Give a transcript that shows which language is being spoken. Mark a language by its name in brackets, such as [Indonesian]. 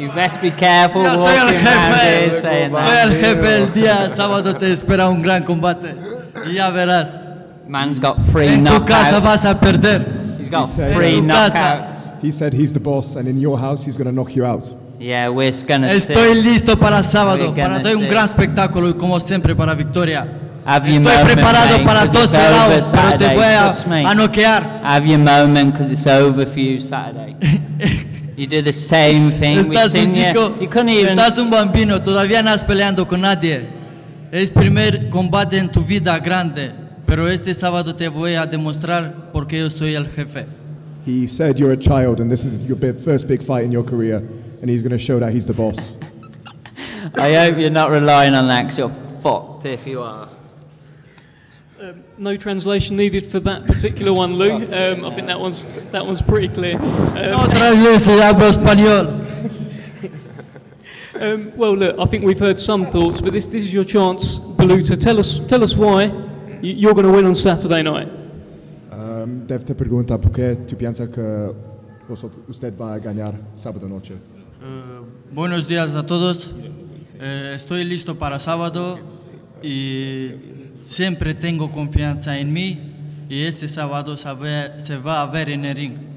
[English] You best be careful walking around here saying that. [Spanish] Te espera un gran combate. Ya verás. [English] Man's got three knockouts. [Spanish] En tu casa vas a perder. [English] He said, he said he's the boss, and in your house he's going to knock you out. Yeah, we're going to see. [Spanish] Estoy listo para sábado, para dar un gran espectáculo y como siempre para victoria. Estoy preparado para 12 rounds, pero te voy a noquear. [English] Have your moment, because it's over for you Saturday. You do the same thing. [Spanish] Estás un chico. Estás un bambino. Todavía no has peleando con nadie. Es primer combate en tu vida grande. Pero este sábado te voy a demostrar por qué yo soy el jefe. [English] He said you're a child and this is your first big fight in your career and he's going to show that he's the boss. I hope you're not relying on that because you're fucked if you are. No translation needed for that particular one, Lou. I think that one's pretty clear. [Spanish] Otra vez hablo español. [English] Well, look, I think we've heard some thoughts, but this is your chance, Baluta. Tell us why. You're going to win on Saturday night. [Spanish] Te pergunta por qué tú piensas que usted va a ganar sábado noche. Buenos días a todos. Estoy listo para sábado y siempre tengo confianza en mí y este sábado se va a ver en el ring.